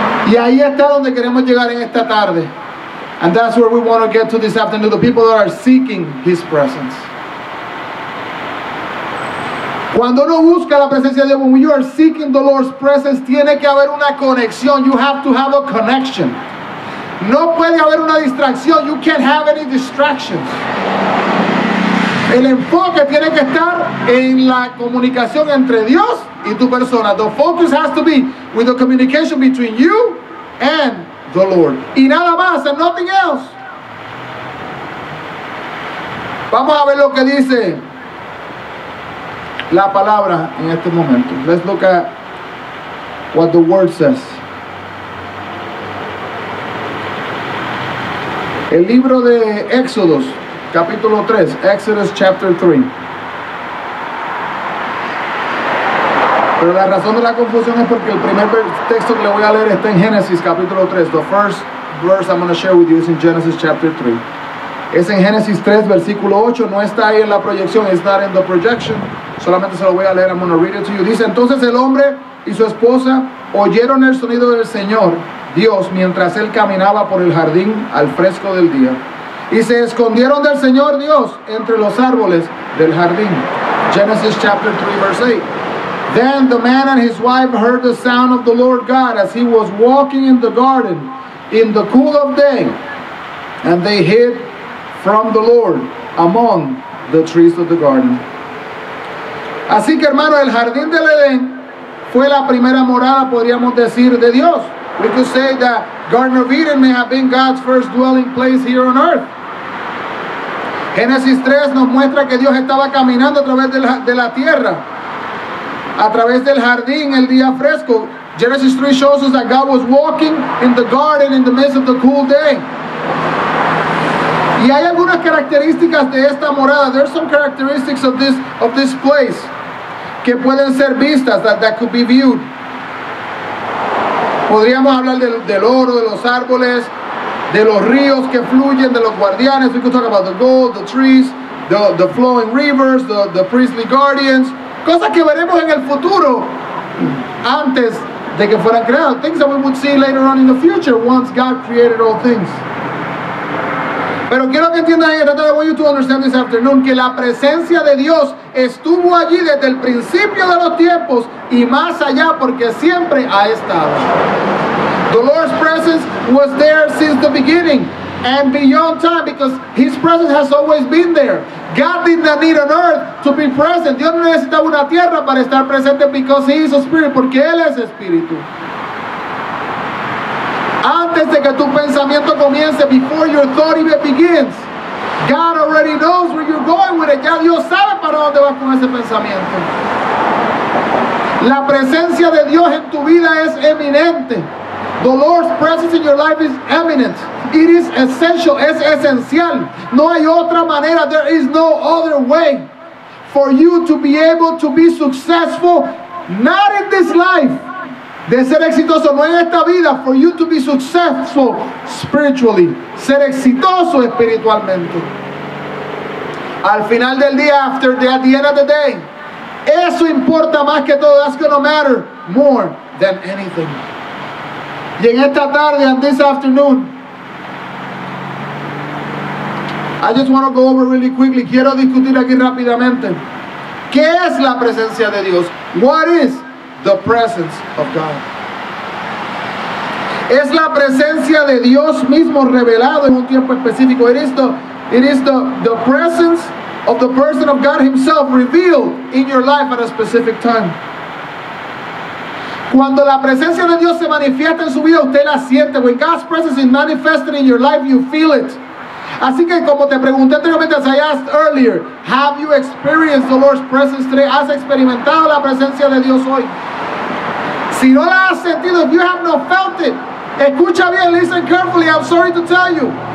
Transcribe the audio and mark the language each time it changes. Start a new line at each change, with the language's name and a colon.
Spanish: Y ahí está donde queremos llegar en esta tarde.
English: And that's where we want to get to this afternoon. The people that are seeking his presence.
Spanish: Cuando uno busca la presencia de Dios,
English: when you are seeking the Lord's presence,
Spanish: tiene que haber una conexión.
English: You have to have a connection.
Spanish: No puede haber una distracción.
English: You can't have any distractions.
Spanish: El enfoque tiene que estar en la comunicación entre Dios y tu persona.
English: The focus has to be with the communication between you and the Lord.
Spanish: Y nada más,
English: and nothing else.
Spanish: Vamos a ver lo que dice la palabra en este momento.
English: Let's look at what the word says.
Spanish: El libro de Éxodos, capítulo 3,
English: Exodus chapter 3.
Spanish: Pero la razón de la confusión es porque el primer texto que le voy a leer está en Génesis, capítulo 3.
English: The first verse I'm going to share with you is in Genesis chapter 3.
Spanish: Es en Génesis 3, versículo 8. No está ahí en la proyección,
English: it's not in the projection.
Spanish: Solamente se lo voy a leer,
English: I'm going to read it to you.
Spanish: Dice, entonces el hombre y su esposa oyeron el sonido del Señor Dios mientras él caminaba por el jardín al fresco del día. Y se escondieron del Señor Dios entre los árboles del jardín.
English: Genesis chapter 3 verse 8. Then the man and his wife heard the sound of the Lord God as he was walking in the garden in the cool of day. And they hid from the Lord among the trees of the garden.
Spanish: Así que hermano, el jardín del Edén fue la primera morada, podríamos decir, de Dios.
English: We could say that Garden of Eden may have been God's first dwelling place here on earth.
Spanish: Génesis 3 nos muestra que Dios estaba caminando a través de la tierra, a través del jardín, el día fresco.
English: Genesis 3 shows us that God was walking in the garden in the midst of the cool day.
Spanish: Y hay algunas características de esta morada.
English: There are some characteristics of this place
Spanish: que pueden ser vistas,
English: that could be viewed.
Spanish: Podríamos hablar del oro, de los árboles, de los ríos que fluyen, de los guardianes.
English: We could talk about the gold, the trees, the flowing rivers, the priestly guardians.
Spanish: Cosas que veremos en el futuro antes de que fueran creados.
English: Things that we would see later on in the future once God created all things.
Spanish: Pero quiero que entiendan esto.
English: I want you to understand this afternoon
Spanish: que la presencia de Dios estuvo allí desde el principio de los tiempos y más allá, porque siempre ha estado.
English: The Lord's presence was there since the beginning and beyond time, because His presence has always been there. God did not need an earth to be present.
Spanish: Dios no necesitaba una tierra para estar presente,
English: because He is a spirit,
Spanish: porque Él es espíritu. Antes de que tu pensamiento comience,
English: before your thought even begins, God already knows where you're going with it.
Spanish: Ya Dios sabe para dónde vas con ese pensamiento. La presencia de Dios en tu vida es eminente.
English: The Lord's presence in your life is eminent. It is essential.
Spanish: Es esencial. No hay otra manera.
English: There is no other way for you to be able to be successful, not in this life,
Spanish: de ser exitoso, no en esta vida,
English: for you to be successful spiritually,
Spanish: ser exitoso espiritualmente. Al final del día,
English: at the end of the day,
Spanish: eso importa más que todo.
English: That's going to matter more than anything.
Spanish: Y en esta tarde,
English: and this afternoon, I just want to go over really quickly,
Spanish: quiero discutir aquí rápidamente, ¿qué es la presencia de Dios?
English: What is the presence of God?
Spanish: Es la presencia de Dios mismo revelado en un tiempo específico.
English: It is the presence of the person of God himself revealed in your life at a specific time.
Spanish: Cuando la presencia de Dios se manifiesta en su vida, usted la siente.
English: When God's presence is manifested in your life, you feel it.
Spanish: Así que como te pregunté anteriormente,
English: as I asked earlier, have you experienced the Lord's presence today?
Spanish: ¿Has experimentado la presencia de Dios hoy? Si no la has sentido,
English: if you have not felt it,
Spanish: escucha bien,
English: listen carefully, I'm sorry to tell you.